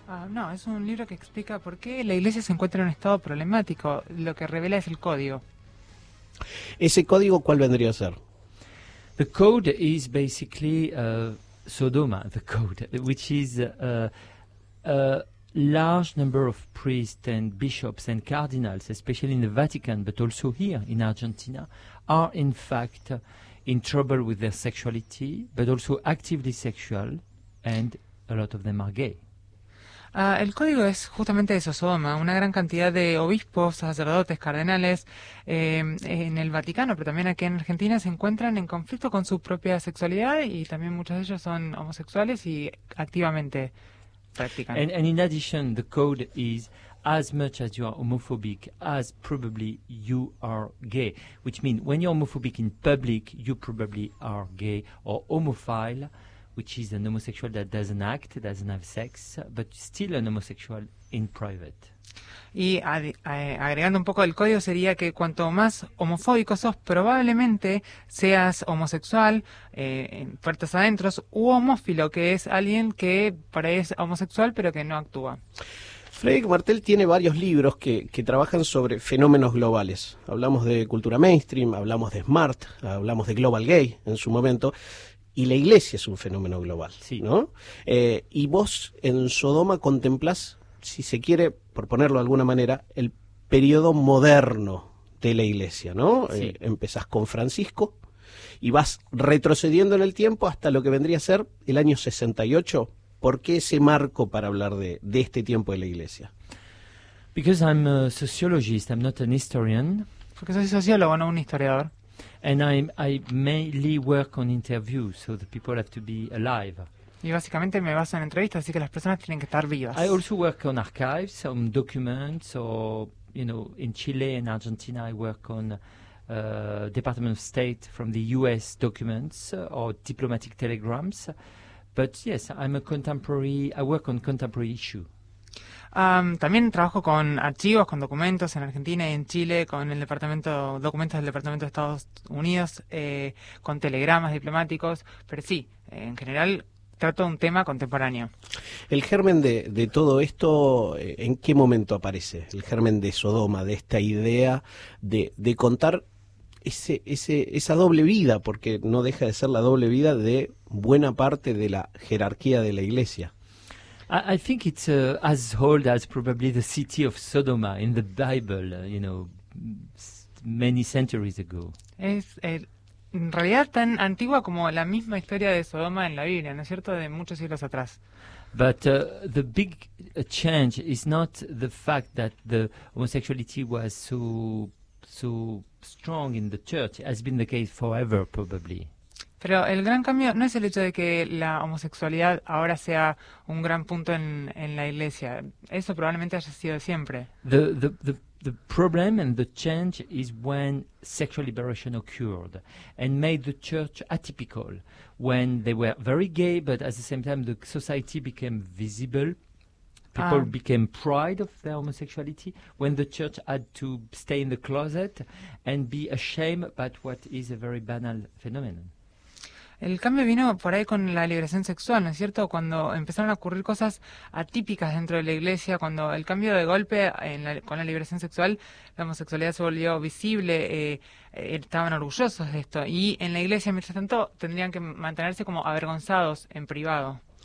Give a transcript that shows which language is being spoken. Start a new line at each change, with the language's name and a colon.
Spanish: No, es un libro que explica por qué la Iglesia se encuentra en un estado problemático. Lo que revela es el código. Ese código, ¿cuál vendría a ser?
English: The code is basically Sodoma, the code, which is a large number of priests and bishops and cardinals, especially in the Vatican, but also here in Argentina, are in fact in trouble with their sexuality, but also actively sexual, and a lot of them are gay.
Spanish: El código es justamente eso, Sodoma. Una gran cantidad de obispos, sacerdotes, cardenales en el Vaticano, pero también aquí en Argentina, se encuentran en conflicto con su propia sexualidad, y también muchos de ellos son homosexuales y activamente practican.
English: And in addition, the code is as much as you are homophobic as probably you are gay, which means when you're homophobic in public, you probably are gay or homophile, which is an homosexual that doesn't act, doesn't have sex, but still an homosexual in private.
Spanish: Y agregando un poco del código, sería que cuanto más homofóbico sos, probablemente seas homosexual, en puertas adentros, u homófilo, que es alguien que por ahí es homosexual pero que no actúa. Frédéric Martel tiene varios libros que trabajan sobre fenómenos globales. Hablamos de Cultura Mainstream, hablamos de Smart, hablamos de Global Gay en su momento. Y la Iglesia es un fenómeno global, sí, ¿no? Y vos en Sodoma contemplás, si se quiere, por ponerlo de alguna manera, el periodo moderno de la Iglesia, ¿no? Sí. Empezás con Francisco y vas retrocediendo en el tiempo hasta lo que vendría a ser el año 68. ¿Por qué ese marco para hablar de este tiempo de la Iglesia?
English: Because I'm a sociologist, I'm not an historian.
Spanish: Porque soy sociólogo, no un historiador.
English: And I mainly work on interviews, so the people have to be alive.
Spanish: Y básicamente me baso en entrevistas, así que las personas tienen que estar vivas.
English: I also work on archives, on documents, or, you know, in Chile and Argentina I work on Department of State from the US documents or diplomatic telegrams. But yes, I'm a contemporary, I work on contemporary issue.
Spanish: También trabajo con archivos, con documentos en Argentina y en Chile, con el departamento, documentos del Departamento de Estados Unidos, con telegramas diplomáticos, pero sí, en general trato un tema contemporáneo. El germen de todo esto, ¿en qué momento aparece? El germen de Sodoma, de esta idea de contar esa doble vida, porque no deja de ser la doble vida de buena parte de la jerarquía de la Iglesia.
English: I think it's as old as probably the city of Sodoma in the Bible, you know, many centuries ago.
Spanish: Es en realidad tan antigua como la misma historia de Sodoma en la Biblia, ¿no es cierto? De muchos siglos atrás.
English: But the big change is not the fact that the homosexuality was so strong in the church. It has been the case forever, probably.
Spanish: Pero el gran cambio no es el hecho de que la homosexualidad ahora sea un gran punto en la iglesia. Eso probablemente haya sido siempre.
English: The problem and the change is when sexual liberation occurred and made the church atypical, when they were very gay, but at the same time the society became visible. People became proud of their homosexuality when the church had to stay in the closet and be ashamed about what is a very banal phenomenon.
Spanish: El cambio vino por ahí con la liberación sexual, ¿no es cierto? Cuando empezaron a ocurrir cosas atípicas dentro de la iglesia, cuando el cambio de golpe con la liberación sexual, la homosexualidad se volvió visible, estaban orgullosos de esto. Y en la iglesia, mientras tanto, tendrían que mantenerse como avergonzados en privado.